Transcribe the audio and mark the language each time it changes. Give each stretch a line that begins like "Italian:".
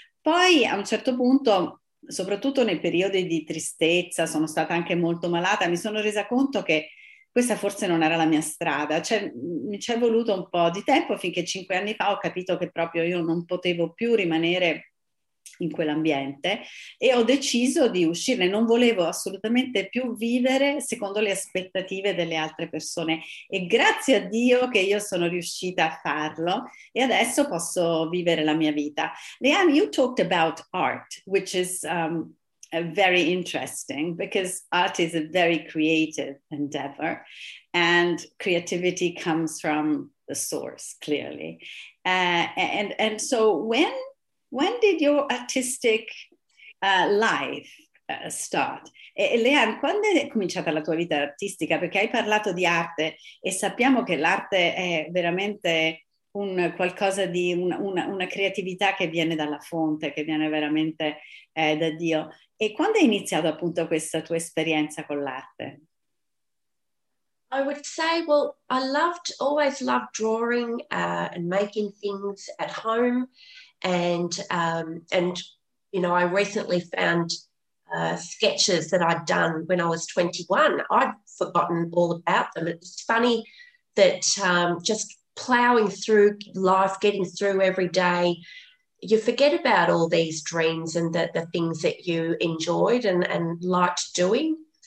Italian: Poi a un certo punto, soprattutto nei periodi di tristezza, sono stata anche molto malata, mi sono resa conto che questa forse non era la mia strada, cioè mi c'è voluto un po' di tempo finché 5 anni fa ho capito che proprio io non potevo più rimanere in quell'ambiente, e ho deciso di uscirne. Non volevo assolutamente più vivere secondo le aspettative delle altre persone, e grazie a Dio che io sono riuscita a farlo e adesso posso vivere la mia vita.
English: Leanne, you talked about art, which is very interesting, because art is a very creative endeavor and creativity comes from the source, clearly. And so when did your artistic life start?
Italian: Leanne, quando è cominciata la tua vita artistica? Perché hai parlato di arte e sappiamo che l'arte è veramente un qualcosa di una creatività che viene dalla fonte, che viene veramente da Dio. E quando è iniziata appunto questa tua esperienza con l'arte?
English: I would say, well, I always loved drawing and making things at home. And you know, I recently found sketches that I'd done when I was 21. I'd forgotten all about them. It's funny that just plowing through life, getting through every day, you forget about all these dreams and the things that you enjoyed and liked doing.